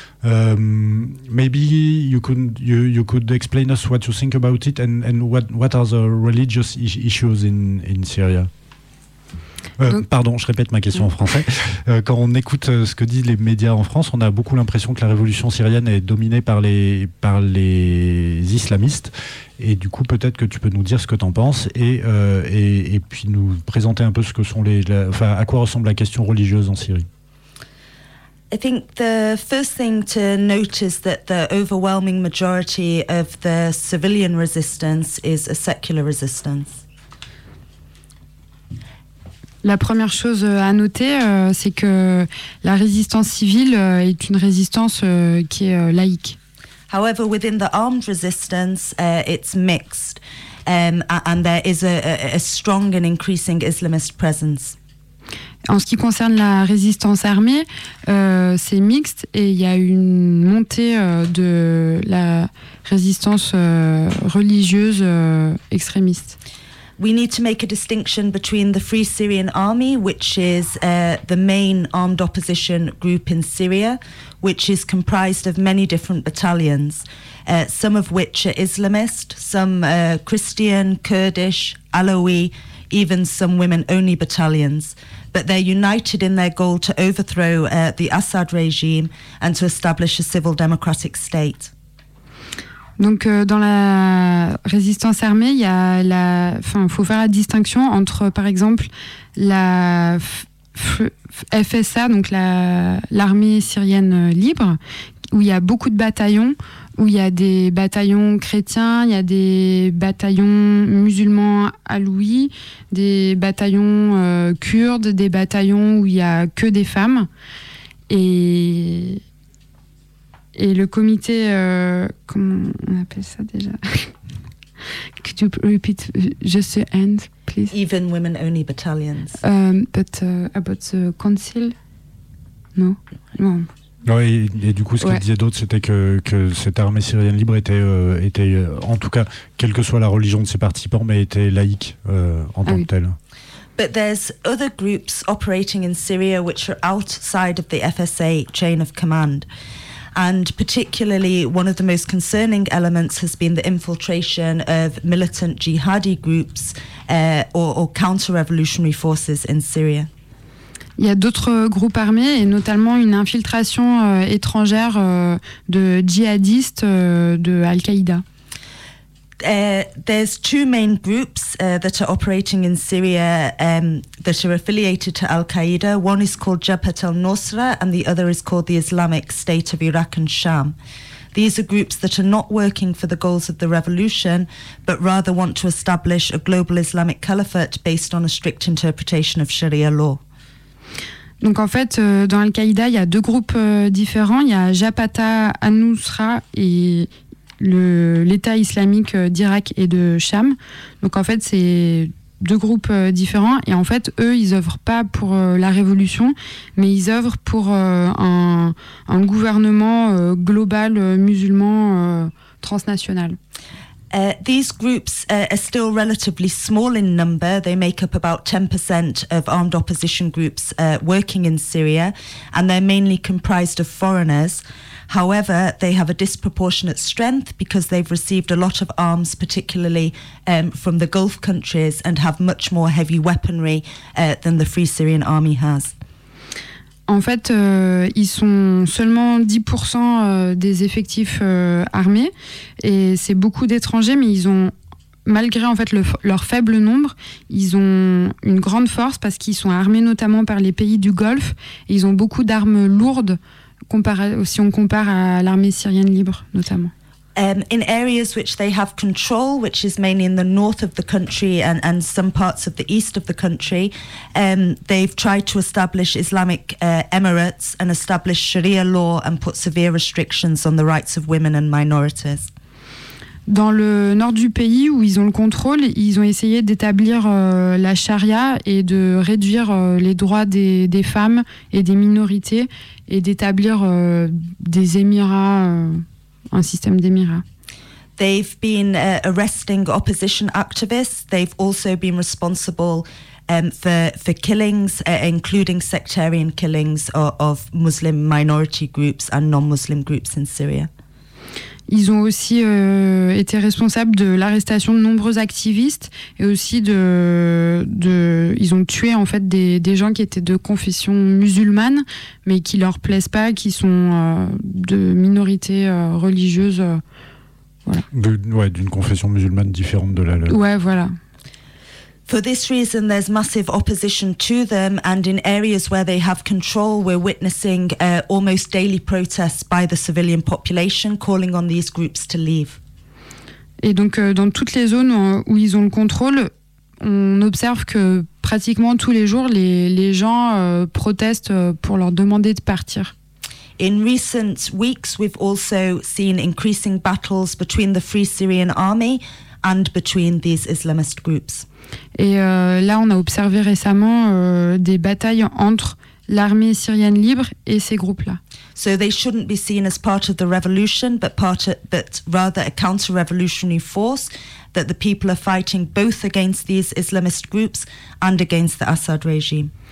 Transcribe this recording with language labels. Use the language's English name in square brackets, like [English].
[English] Maybe you could explain us what you think about it and what are the religious issues in Syria. [French] Pardon, je répète ma question en français. Quand on écoute ce que disent les médias en France, on a beaucoup l'impression que la révolution syrienne est dominée par les islamistes. Et du coup, peut-être que tu peux nous dire ce que t'en penses et puis nous présenter un peu ce que sont à quoi ressemble la question religieuse en Syrie. [English] I think the first thing to note is that the overwhelming majority of the civilian resistance is a secular resistance. [French] La première chose à noter, c'est que la résistance civile est une résistance qui est laïque. [English] However, within the armed resistance, it's mixed, and there is a strong and increasing Islamist presence. [French] En ce qui concerne la résistance armée, c'est mixte et il y a une montée de la résistance religieuse extrémiste. [English] We need to make a distinction between the Free Syrian Army, which is the main armed opposition group in Syria, which is comprised of many different battalions, some of which are Islamist, some Christian, Kurdish, Alawi, even some women-only battalions. But they're united in their goal to overthrow the Assad regime and to establish a civil democratic state. [French] Donc, dans la résistance armée, il y a la, enfin, faut faire la distinction entre, par exemple, la FSA, donc l'armée syrienne libre, où il y a beaucoup de bataillons, où il y a des bataillons chrétiens, il y a des bataillons musulmans alouis, des bataillons kurdes, des bataillons où il y a que des femmes, et le comité, comment on appelle ça déjà? [English] Could you repeat just the end, please? Even women only battalions. But about the council? No? [French] Non. Ouais, et du coup, ce qu'il disait d'autre, c'était que cette armée syrienne libre était, en tout cas, quelle que soit la religion de ses participants, mais était laïque en tant que telle. [English] But there's other groups operating in Syria which are outside of the FSA chain of command. And particularly, one of the most concerning elements has been the infiltration of militant jihadi groups or counter-revolutionary forces in Syria. [French] Il y a d'autres groupes armés, et notamment une infiltration étrangère de djihadistes de Al-Qaïda. [English] There's two main groups that are operating in Syria that are affiliated to Al-Qaeda. One is called Jabhat al-Nusra and the other is called the Islamic State of Iraq and Sham. These are groups that are not working for the goals of the revolution, but rather want to establish a global Islamic caliphate based on a strict interpretation of Sharia law. [French] Donc en fait, dans Al-Qaeda, il y a deux groupes différents. Il y a Jabhat al-Nusra et l'État islamique d'Irak et de Cham. Donc en fait, c'est deux groupes différents. Et en fait, eux, ils œuvrent pas pour la révolution, mais ils œuvrent pour un gouvernement global musulman transnational. [English] These groups are still relatively small in number. They make up about 10% of armed opposition groups working in Syria, and they're mainly comprised of foreigners. However, they have a disproportionate strength because they've received a lot of arms, particularly from the Gulf countries, and have much more heavy weaponry than the Free Syrian Army has. [French] En fait, ils sont seulement 10% des effectifs armés, et c'est beaucoup d'étrangers, mais ils ont, malgré en fait leur faible nombre, ils ont une grande force parce qu'ils sont armés notamment par les pays du Golfe, et ils ont beaucoup d'armes lourdes. Si on compare à l'armée syrienne libre, notamment. [English] In areas which they have control, which is mainly in the north of the country and some parts of the east of the country, they've tried to establish Islamic emirates and establish Sharia law and put severe restrictions on the rights of women and minorities. [French] Dans le nord du pays où ils ont le contrôle, ils ont essayé d'établir la charia et de réduire les droits des femmes et des minorités et d'établir des émirats, un système d'émirats. [English] They've been arresting opposition activists. They've also been responsible for killings, including sectarian killings of Muslim minority groups and non-Muslim groups in Syria. [French] Ils ont aussi été responsables de l'arrestation de nombreux activistes et aussi ils ont tué en fait des gens qui étaient de confession musulmane mais qui leur plaisent pas, qui sont de minorités religieuses, voilà. D'une confession musulmane différente de la leur. Ouais, voilà. [English] For this reason, there's massive opposition to them, and in areas where they have control, we're witnessing almost daily protests by the civilian population calling on these groups to leave. [French] Et donc, dans toutes les zones où ils ont le contrôle, on observe que pratiquement tous les jours, les gens protestent pour leur demander de partir. [English] In recent weeks, we've also seen increasing battles between the Free Syrian Army and between these Islamist groups. [French] Et là, on a observé récemment des batailles entre l'armée syrienne libre et ces groupes-là. [English] So they shouldn't be seen as part of the revolution, but rather a counter-revolutionary force that the people are fighting both against these Islamist groups and against the Assad regime.